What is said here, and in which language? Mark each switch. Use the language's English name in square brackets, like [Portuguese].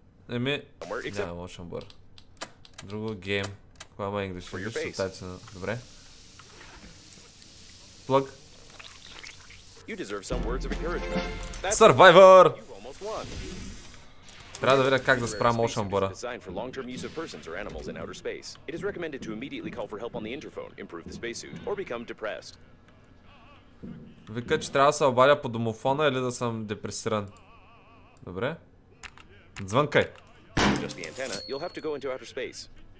[Bulgarian] Еми, няма motion bar. Друго гейм. Кога има English? English субтитрите. Добре. [English] Plug. You deserve some words of encouragement. Survivor. [Bulgarian] Трябва да видя как да спра motion bar-а. [English] Designed for long-term use of persons or animals in outer space. It is recommended to immediately call for help on the interphone, improve the spacesuit, or become depressed. [Bulgarian] Вика, че трябва да се обадя по домофона или да съм депресиран. Добре. Звънкай. [English] Just the antenna, you'll have to go into outer space.